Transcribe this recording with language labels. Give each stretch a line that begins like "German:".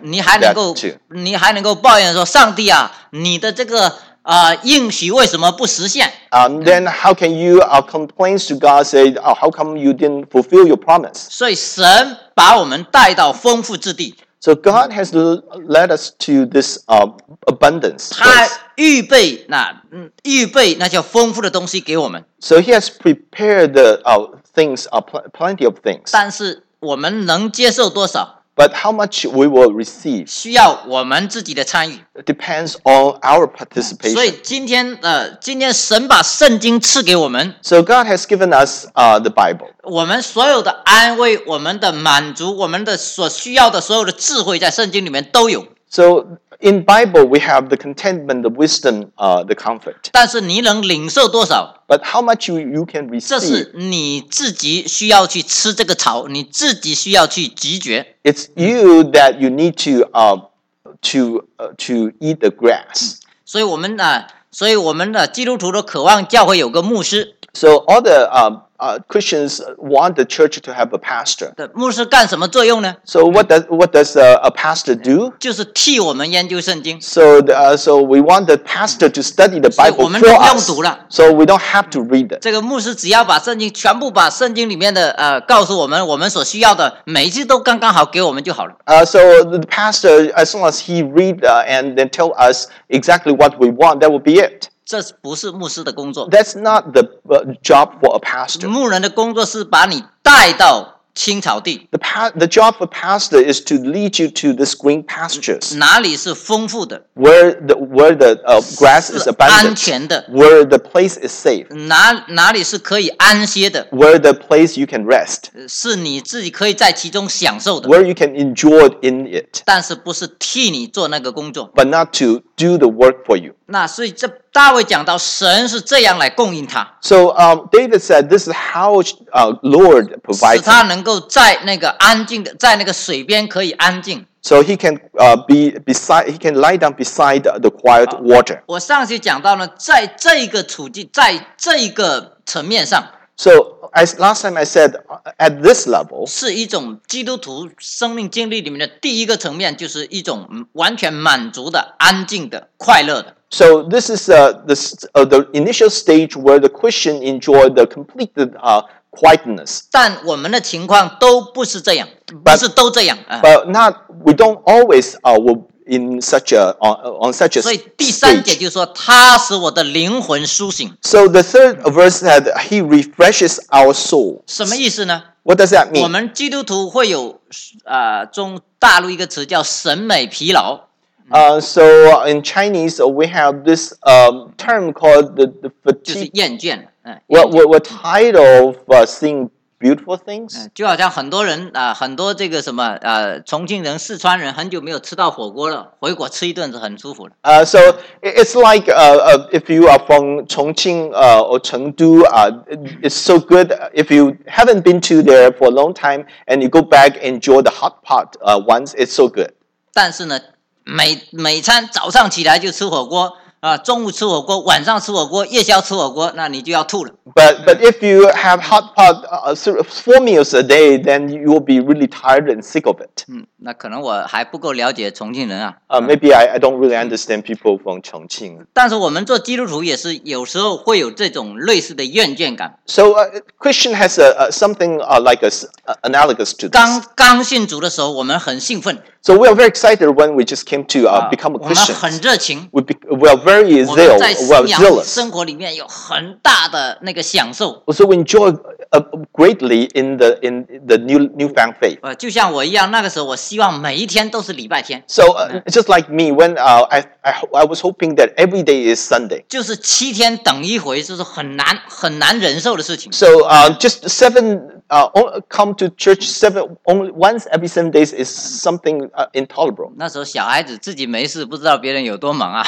Chinese: 你还能够抱怨说，上帝啊，你的这个应许为什么不实现？
English: Then how can you complain to God? Say, how come you didn't fulfill your promise?
Chinese: 所以神把我们带到丰富之地。
English: So God has led us to this abundance.
Chinese: 他预备那些丰富的东西给我们。
English: So He has prepared the things, plenty of things.
Chinese: 但是我们能接受多少？
English: But how much we will receive?
Chinese: 需要我们自己的参与。
English: Depends on our participation.
Chinese: 所以今天神把圣经赐给我们。
English: So God has given us the Bible.
Chinese: 我们所有的安慰、我们的满足、我们的所需要的所有的智慧，在圣经里面都有。
English: So in Bible we have the contentment, the wisdom, the comfort.
Chinese: 但是你能领受多少？
English: But how much you can receive?
Chinese: 这是你自己需要去吃这个草，你自己需要去咀嚼。
English: It's you that you need to to eat the grass.
Chinese: 所以我们的基督徒都渴望教会有个牧师。
English: So all the Christians want the church to have a pastor.
Chinese: 牧师干什么作用呢？
English: So what does a pastor do?
Chinese: 就是替我们研究圣经。
English: So so we want the pastor to study the Bible for us.
Chinese: 所以我们都不用读了。
English: So we don't have to read it.
Chinese: 这个牧师只要把圣经全部把圣经里面的告诉我们我们所需要的每一句都刚刚好给我们就好了。
English: So the pastor, as long as he read and then tell us exactly what we want, that would be it.
Chinese: 这不是牧师的工作。
English: That's not the job for a pastor.
Chinese: 牧人的工作是把你带到青草地。
English: The job of a pastor is to lead you to this green pastures.
Chinese: 哪里是丰富的？
English: Where the grass is abundant.
Chinese: 是安全的。
English: Where the place is safe.
Chinese: 哪里是可以安歇的？
English: Where the place you can rest.
Chinese: 是你自己可以在其中享受的。
English: Where you can enjoy in it.
Chinese: 但是不是替你做那个工作。
English: But not to do the work for you.
Chinese: 那所以这大卫讲到神是这样来供应他。
English: So, David said, this is how Lord provides.
Chinese: 使他能够在那个安静的，在那个水边可以安静。
English: So he can he can lie down beside the quiet water.
Chinese: 我上次讲到呢，在这个处境，在这个层面上。
English: So, as last time I said, at this level,
Chinese: 是一种基督徒生命经历里面的第一个层面，就是一种完全满足的、安静的、快乐的。
English: So this is the initial stage where the Christian enjoy the complete quietness.
Chinese: 但我们的情况都不是这样，不是都这样。
English: But not we don't always in such a on such a.
Chinese: 所以第三节就是说，他使我的灵魂苏醒。
English: So the third verse said he refreshes our soul.
Chinese: 什么意思呢？
English: What does that mean?
Chinese: 我们基督徒会有中大陆一个词叫审美疲劳。
English: So in Chinese, we have this term called the fatigue.
Chinese: 就是厌倦。
English: We're tired of seeing beautiful things.
Chinese: 就好像很多人很多这个什么重庆人、四川人很久没有吃到火锅了，回国吃一顿是很舒服的。
English: So it's like if you are from Chongqing or Chengdu, it's so good if you haven't been to there for a long time and you go back enjoy the hot pot once. It's so good.
Chinese: 但是呢。每餐早上起来就吃火锅中午吃火锅晚上吃火锅夜宵吃火锅那你就要吐了。
English: But if you have hot pot four meals a day, then you will be really tired and sick of it.
Chinese: 那可能我还不够了解重庆人啊。
English: Maybe I don't really understand people from 重庆。
Chinese: 但是我们做基督徒也是有时候会有这种类似的厌倦感。
English: So Christian has something like analogous to this.
Chinese: 刚信主的时候我们很兴奋。
English: So we are very excited when we just came to become a Christian.
Chinese: 我们很热情。
English: We are very zealous.
Chinese: 我们在信仰生活里面有很大的那个享受。
English: So we enjoy greatly in the newfound faith.
Chinese: 就像我一样，那个时候我希望每一天都是礼拜天。
English: So just like me, when I was hoping that every day is Sunday.
Chinese: 就是七天等一回，就是很难忍受的事情。
English: So just seven. Come to church once every seven days is something intolerable.
Chinese: 那时候小孩子自己没事，不知道别人有多忙啊。